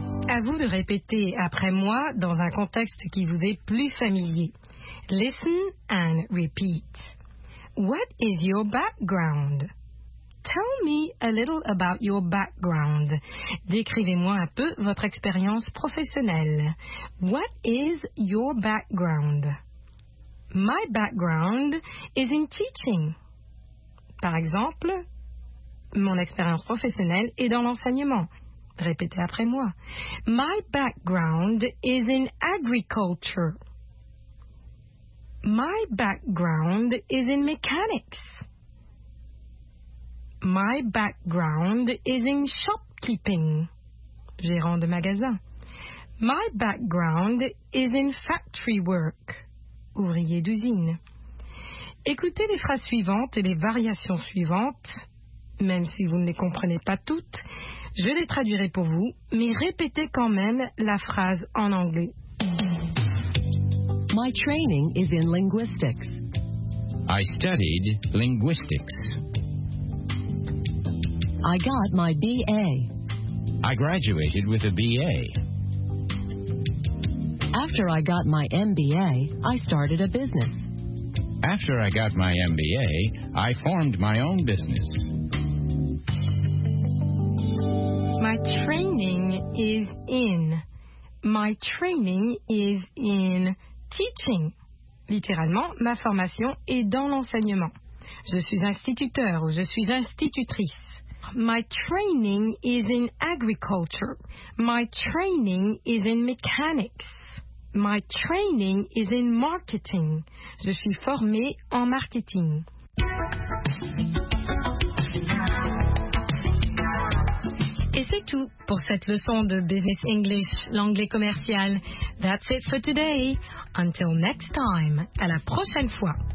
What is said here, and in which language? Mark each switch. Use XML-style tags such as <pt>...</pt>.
<fr>À vous de répéter après moi dans un contexte qui vous est plus familier.</fr> <en>Listen and repeat. What is your background? Tell me a little about your background.</en> <fr>Décrivez-moi un peu votre expérience professionnelle.</fr> <en>What is your background? My background is in teaching.</en> <fr>Par exemple, mon expérience professionnelle est dans l'enseignement. Répétez après moi.</fr> <en>My background is in agriculture. My background is in mechanics. My background is in shopkeeping.</en> <fr>Gérant de magasin.</fr> <en>My background is in factory work.</en> <fr>Ouvrier d'usine. Écoutez les phrases suivantes et les variations suivantes. Même si vous ne les comprenez pas toutes, je les traduirai pour vous, mais répétez quand même la phrase en anglais.</fr> <en>My training is in linguistics. I studied linguistics. I got my BA. I graduated with a BA. After I got my MBA, I started a business. After I got my MBA, I formed my own business. My training is in. My training is in teaching.</en> <fr>Littéralement, ma formation est dans l'enseignement. Je suis instituteur ou je suis institutrice.</fr> <en>My training is in agriculture. My training is in mechanics. My training is in marketing.</en> <fr>Je suis formée en marketing. Et c'est tout pour cette leçon de Business English, l'anglais commercial.</fr> <en>That's it for today. Until next time,</en> <fr>à la prochaine fois.</fr>